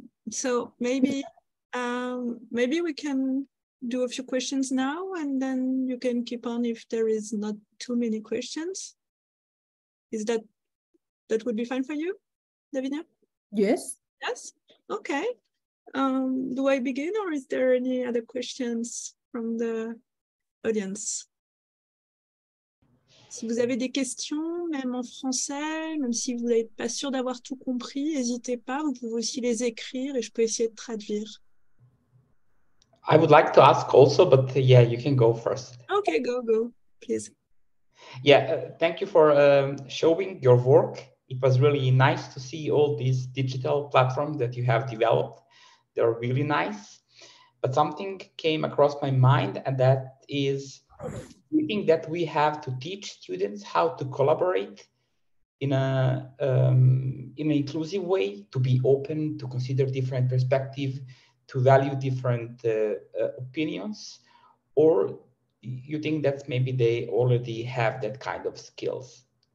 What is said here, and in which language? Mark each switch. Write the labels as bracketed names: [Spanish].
[English] So maybe we can do a few questions now, and then you can keep on if there is not too many questions. Is that would be fine for you, Davinia? Yes. Yes. Okay. Do I begin, or is there any other questions from the audience? [French] Si vous avez des questions, même en français, même si vous n'êtes pas sûr d'avoir tout compris, n'hésitez pas. Vous pouvez aussi les écrire, et je peux essayer de traduire. [English] I would like to ask also, but yeah, you can go first. Okay, go, please. Yeah, thank you for showing your work. It was really nice to see all these digital platforms that you have developed. They're really nice. But something came across my mind, and that is, we think that we have to teach students how to collaborate in an inclusive way, to be open, to consider different perspectives, to value different opinions, or you think that maybe they already have that kind of skills?